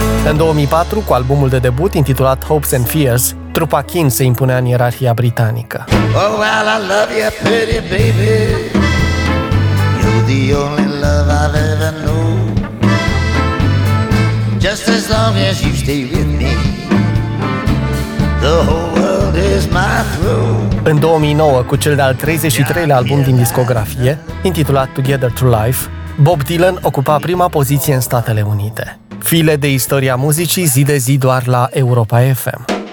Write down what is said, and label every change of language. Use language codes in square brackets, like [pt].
[ro] În 2004, cu albumul de debut intitulat Hopes and Fears, trupa Keen se impunea în ierarhia britanică. [en] Oh, well, I love you, pretty baby. You're the only love I've ever known. Just as long as you stay with me, the whole world is my throne. [ro] În 2009, cu cel de-al 33-lea album din discografie, intitulat Together to Life, Bob Dylan ocupa prima poziție în Statele Unite. File de istoria muzicii zi de zi doar la Europa FM.